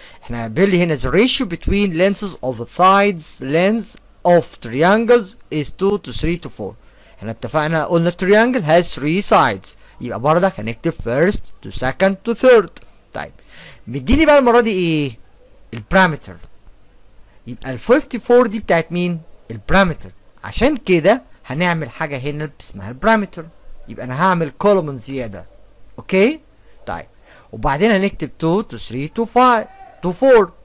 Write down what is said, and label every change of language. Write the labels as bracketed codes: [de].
[ar] احنا بيقول لي هنا [en] the ratio between lengths of the sides length of triangles is 2 to 3 to 4. احنا اتفقنا قلنا triangle has 3 sides، [ar] يبقى برضك هنكتب [en] first to second to third. طيب [ar] مديني بقى المرة دي ايه؟ البرامتر. يبقى ال 54 دي بتاعت مين؟ البرامتر. عشان كده هنعمل حاجة هنا اسمها البرامتر. يبقى انا هعمل كولومن زيادة. اوكي؟ طيب. وبعدين هنكتب 2 to 3 to 5 to 4.